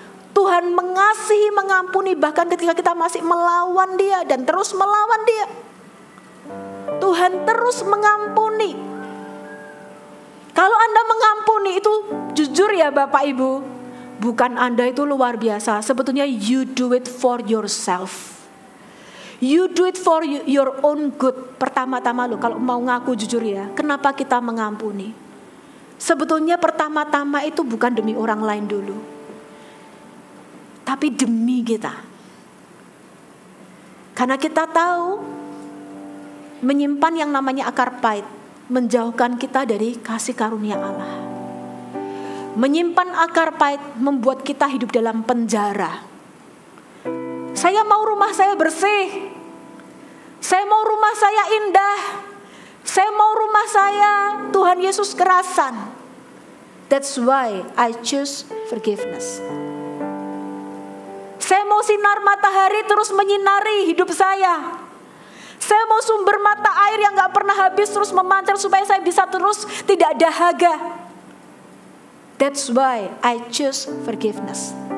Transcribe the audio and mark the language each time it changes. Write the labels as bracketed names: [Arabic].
[Indonesian] Tuhan mengasihi, mengampuni bahkan ketika kita masih melawan dia dan terus melawan dia. Tuhan terus mengampuni. Kalau Anda mengampuni itu jujur ya Bapak Ibu, bukan Anda itu luar biasa. Sebetulnya [English] you do it for yourself. You do it for your own good. [Indonesian] Pertama-tama lo, kalau mau ngaku jujur ya, kenapa kita mengampuni? Sebetulnya pertama-tama itu bukan demi orang lain dulu, tapi demi kita. Karena kita tahu menyimpan yang namanya akar pahit menjauhkan kita dari kasih karunia Allah. Menyimpan akar pahit membuat kita hidup dalam penjara. Saya mau rumah saya bersih, saya mau rumah saya indah, saya mau rumah saya Tuhan Yesus kerasan. [English] That's why I choose forgiveness. [Indonesian] Saya mau sinar matahari terus menyinari hidup saya. Saya mau sumber mata air yang gak pernah habis terus memancar supaya saya bisa terus tidak dahaga. [English] That's why I choose forgiveness.